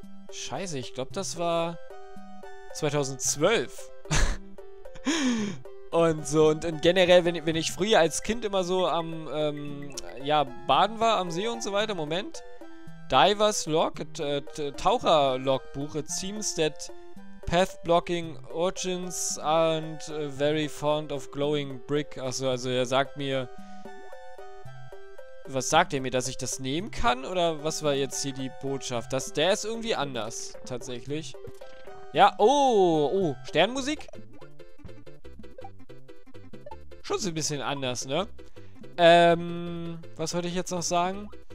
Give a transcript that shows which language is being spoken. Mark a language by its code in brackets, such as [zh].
[de] Scheiße, ich glaube, das war... 2012. Und so, und generell, wenn ich früher als Kind immer so am, baden war, am See und so weiter, Moment... [en] Divers Log, [de] Taucher Logbuch, [en] it seems that path blocking urchins aren't very fond of glowing brick. [de] Also er sagt mir, was sagt er mir, dass ich das nehmen kann oder was war jetzt hier die Botschaft? Der ist irgendwie anders, tatsächlich. Ja, oh, Sternmusik? Schon so ein bisschen anders, ne? Was wollte ich jetzt noch sagen?